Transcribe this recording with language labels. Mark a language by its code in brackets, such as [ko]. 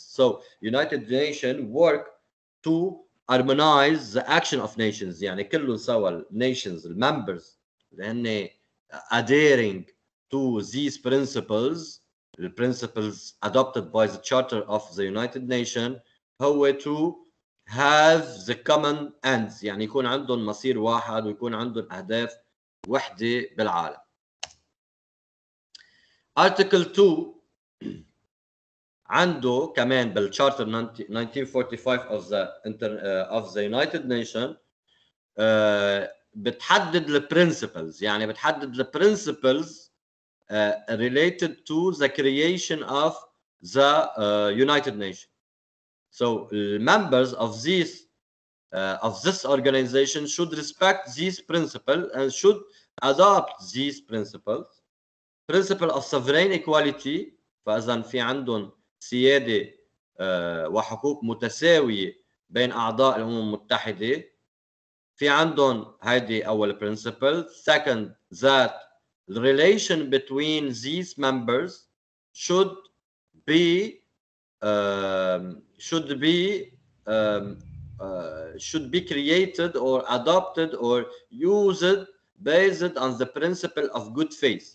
[en] So United Nations work to harmonize the action of nations. يعني كلهم سوا nations, the members, then adhering to these principles, the principles adopted by the Charter of the United Nations, how to have the common ends. [ar] يعني يكون عندهم مصير واحد ويكون عندهم أهداف وحدة بالعالم. [en] Article 2 عنده كمان بالCharter 1945 of the United Nations بتحدد the principles, يعني بتحدد the principles related to the creation of the United Nations. So members of this organization should respect these principles and should adopt these principles. [ar] Principle of sovereign equality, فإذا في عندهم سيادة وحقوق متساوية بين أعضاء الأمم المتحدة. في عندهم هذه أول principle. [en] Second, that the relation between these members should be created or adopted or used based on the principle of good faith.